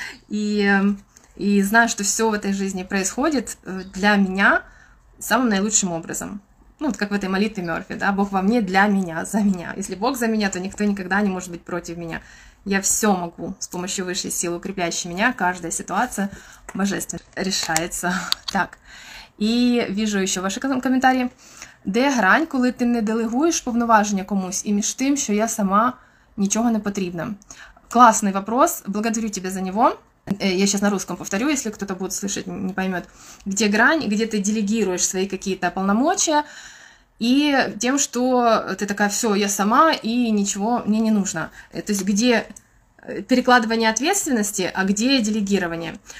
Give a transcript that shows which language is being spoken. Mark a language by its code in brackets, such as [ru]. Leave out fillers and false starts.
[ru] И знаю, что все в этой жизни происходит для меня самым наилучшим образом. Ну, вот как в этой молитве Мёрфи, да, Бог во мне для меня, за меня. Если Бог за меня, то никто никогда не может быть против меня. Я все могу с помощью высшей силы, укрепляющей меня, каждая ситуация божественно решается. Так, и вижу еще ваши комментарии. [uk] Де грань, коли ти не делегуєш повноваження комусь, і між тим, що я сама нічого не потрібна? [ru] Класний вопрос, благодарю тебе за него. Я сейчас на русском повторю, если кто-то будет слышать, не поймет. Где грань, где ты делегируешь свои какие-то полномочия, и тем, что ты такая, все, я сама, и ничего мне не нужно. То есть где перекладывание ответственности, а где делегирование.